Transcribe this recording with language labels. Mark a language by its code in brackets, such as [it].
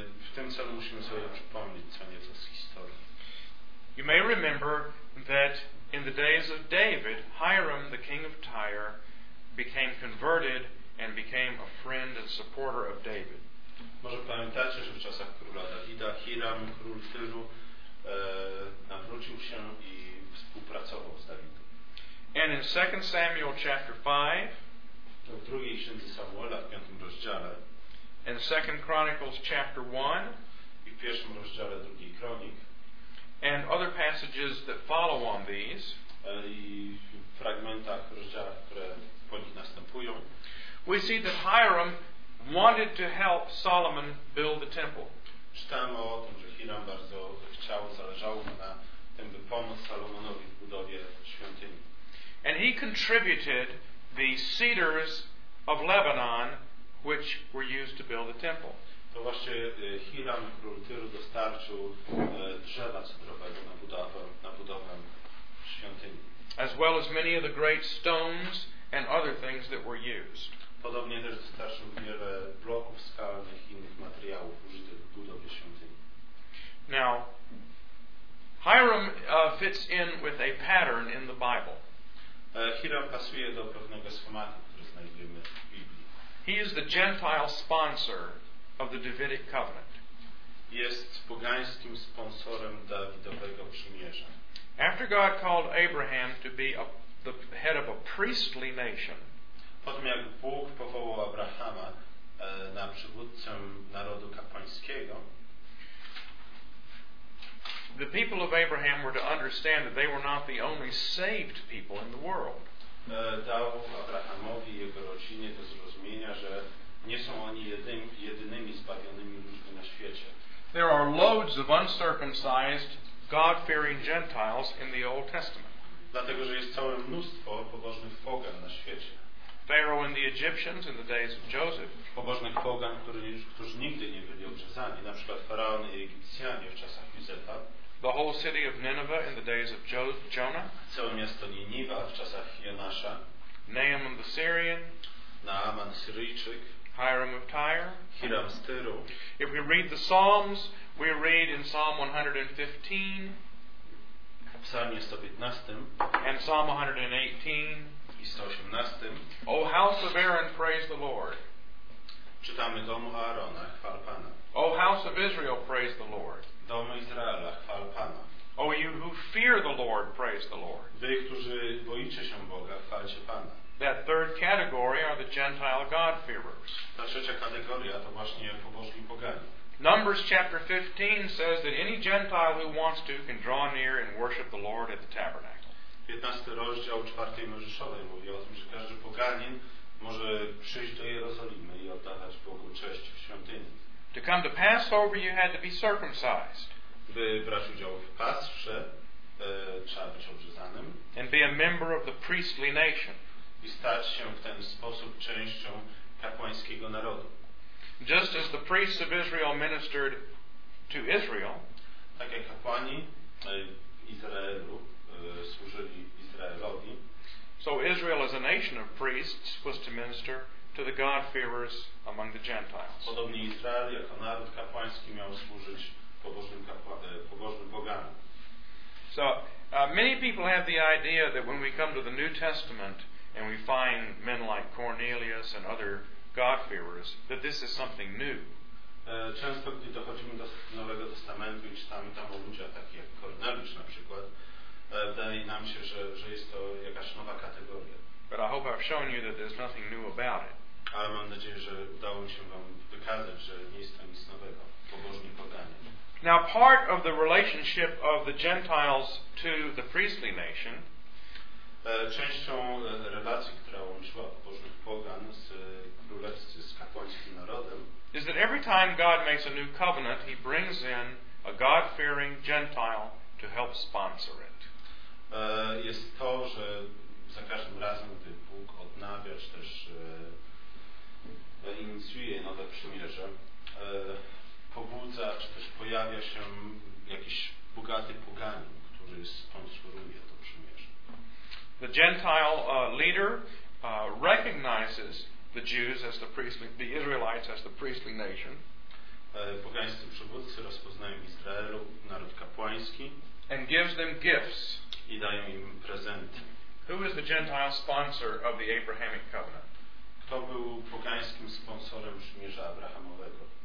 [pl] W tym celu musimy sobie przypomnieć co nieco z historii. [en] You may remember that in the days of David, Hiram, the king of Tyre, became converted and became a friend and supporter of David. [pl] Może pamiętacie, że w czasach króla Dawida Hiram, król Tyru, nawrócił się i współpracował z Dawidem. [en] And in 2 Samuel chapter 5, [pl] to w 2 Księdze Samuela, w 5 rozdziale, [en] and 2 Chronicles chapter 1, [pl] i w 1 rozdziale 2 Kronik, [en] and other passages that follow on these, [pl] i w fragmentach rozdziałów, które po nich następują, [en] we see that Hiram wanted to help Solomon build the temple. [pl] Czytamy o tym, że Hiram bardzo chciał, zależało mu na tym, by pomóc Salomonowi w budowie świątyni. [en] And he contributed the cedars of Lebanon, which were used to build the temple. [pl] To właśnie Hiram, król Tyru, dostarczył drzewa cedrowego na budowę świątyni. [en] As well as many of the great stones and other things that were used. [pl] Podobnie też dostarczył wiele bloków skalnych i innych materiałów użytych w budowie świątyni. [en] Now, Hiram fits in with a pattern in the Bible. [pl] Hiram pasuje do pewnego schematu, który znajdujemy w Biblii. [en] He is the Gentile sponsor of the Davidic covenant. [pl] Jest pogańskim sponsorem Dawidowego przymierza. [en] After God called Abraham to be the head of a priestly nation, [pl] po tym jak Bóg powołał Abrahama na przywódcę narodu kapłańskiego, [en] the people of Abraham were to understand that they were not the only saved people in the world. [pl] Dał Abrahamowi i jego rodzinie do zrozumienia, że nie są oni jedynymi zbawionymi ludźmi na świecie. [en] There are loads of uncircumcised, God-fearing Gentiles in the Old Testament. [pl] Dlatego, że jest całe mnóstwo pobożnych pogan na świecie. [en] Pharaoh and the Egyptians in the days of Joseph. [pl] Pobożnych pogan, którzy nigdy nie byli obrzezani, na przykład Faraon i Egipcjanie w czasach Józefa. [en] The whole city of Nineveh in the days of Jonah. [pl] Całe miasto Niniwa w czasach Jonasza. [en] Naaman the Syrian. [pl] Naaman Syryjczyk. [en] Hiram of Tyre. [pl] Hiram z Tyru. [en] If we read the Psalms, we read in Psalm 115. [pl] W Psalmie 115. [en] And Psalm 118. [pl] I 118. [en] O house of Aaron, praise the Lord. [pl] Czytamy domu Aarona, chwal Pana. [en] O house of Israel, praise the Lord. [pl] Domu Izraela, chwal Pana. [en] O you who fear the Lord, praise the Lord. [pl] Wy, którzy boicie się Boga, chwalcie Pana. [en] That third category are the Gentile God-fearers. [pl] Ta trzecia kategoria to właśnie pobożni poganie. [en] Numbers chapter 15 says that any Gentile who wants to can draw near and worship the Lord at the tabernacle. [pl] 15 rozdział 4 Mojżeszowej mówi o tym, że każdy poganin może przyjść do Jerozolimy i oddawać Bogu cześć w świątyni. [en] To come to Passover, you had to be circumcised. [pl] By brać udział w Pasrze, trzeba być obrzezanym. [en] And be a member of the priestly nation. [pl] I stać się w ten sposób częścią kapłańskiego narodu. [en] Just as the priests of Israel ministered to Israel, [pl] tak jak kapłani Izraelu służyli Izraelowi, [en] so Israel as a nation of priests was to minister to the God-fearers among the Gentiles. [pl] Podobnie Izrael jako naród kapłański miał służyć pobożnym poganom. [en] So many people have the idea that when we come to the New Testament and we find men like Cornelius and other God-fearers, that this is something new. [pl] Często, gdy dochodzimy do Nowego Testamentu i czytamy tam o ludziach takich jak Korneliusz na przykład, wydaje nam się, że jest to jakaś nowa kategoria. [en] But I hope I've shown you that there's nothing new about it. [pl] Ale mam nadzieję, że udało mi się wam wykazać, że nie jest to nic nowego. Pobożni poganie. [en] Now part of the relationship of the Gentiles to the priestly nation, [pl] częścią relacji, która łączyła pobożnych pogan z królewscy, z kapłańskim narodem, [en] is that every time God makes a new covenant, he brings in a God-fearing Gentile to help sponsor it. [pl] Jest to, że za każdym razem, gdy Bóg odnawia, czy też inicjuje nowe przymierze, pobudza, czy też pojawia się jakiś bogaty poganin, który sponsoruje to przymierze. [en] The Gentile leader recognizes the Jews as the priestly, the Israelites as the priestly nation. [pl] Pogańscy przywódcy rozpoznają Izraelu, naród kapłański. [en] And gives them gifts. [pl] I dają im prezenty. [en] Who is the Gentile sponsor of the Abrahamic covenant? [pl] Kto był pogańskim sponsorem przymierza Abrahamowego?